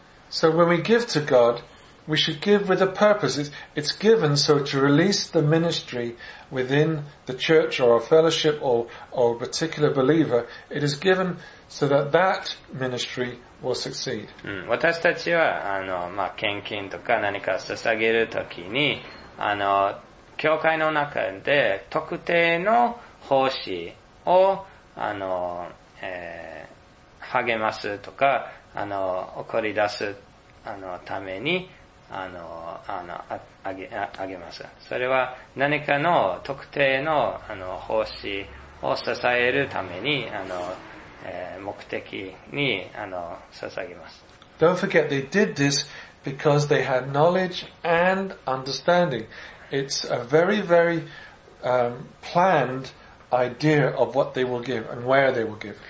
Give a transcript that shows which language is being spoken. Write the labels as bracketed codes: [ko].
[en] So when we give to God, we should give with a purpose. It's given so to release the ministry within the church or a fellowship or a particular believer. It is given so that that ministry will succeed. [ja] 私たちは、まあ、献金とか何か捧げるときに、教会の中で特定の奉仕を、励ますとか、送り出す、ために、あげます。それは何かの特定の、奉仕を支えるために、目的に、捧げます。 [en] Don't forget they did this because they had knowledge and understanding. It's a very, very, plannedidea of what they will give and where they will give.